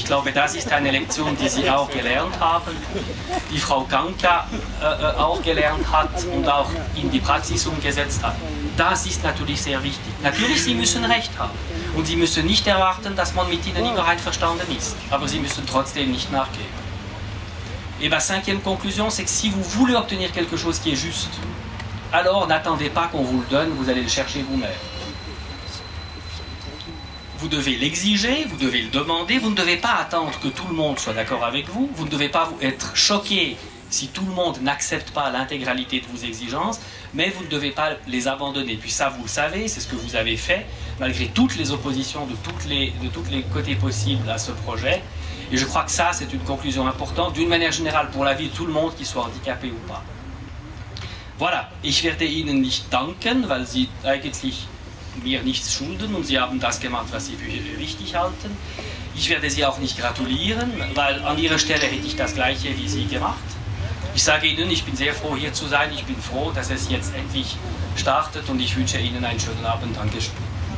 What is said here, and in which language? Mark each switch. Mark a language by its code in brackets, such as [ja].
[de] Ich glaube, das ist eine Lektion, die Sie auch gelernt haben, die Frau Kanka auch gelernt hat und auch in die Praxis umgesetzt hat. Das ist natürlich sehr wichtig. Natürlich, Sie müssen Recht haben und Sie müssen nicht erwarten, dass man mit Ihnen immer einverstanden ist. Aber Sie müssen trotzdem nicht nachgeben. [fr] Et ma cinquième conclusion, c'est que si vous voulez obtenir quelque chose qui est juste, alors n'attendez pas qu'on vous le donne, vous allez le chercher vous-même. Vous devez l'exiger, vous devez le demander, vous ne devez pas attendre que tout le monde soit d'accord avec vous, vous ne devez pas être choqué si tout le monde n'accepte pas l'intégralité de vos exigences, mais vous ne devez pas les abandonner. Puis ça, vous le savez, c'est ce que vous avez fait, malgré toutes les oppositions de tous les côtés possibles à ce projet. Et je crois que ça, c'est une conclusion importante, d'une manière générale, pour la vie de tout le monde, qu'il soit handicapé ou pas. [de] Voilà, ich werde Ihnen nicht danken, weil Sie eigentlich mir nichts schulden und Sie haben das gemacht, was Sie für richtig halten. Ich werde Sie auch nicht gratulieren, weil an Ihrer Stelle hätte ich das Gleiche wie Sie gemacht. Ich sage Ihnen, ich bin sehr froh, hier zu sein. Ich bin froh, dass es jetzt endlich startet und ich wünsche Ihnen einen schönen Abend. Dankeschön.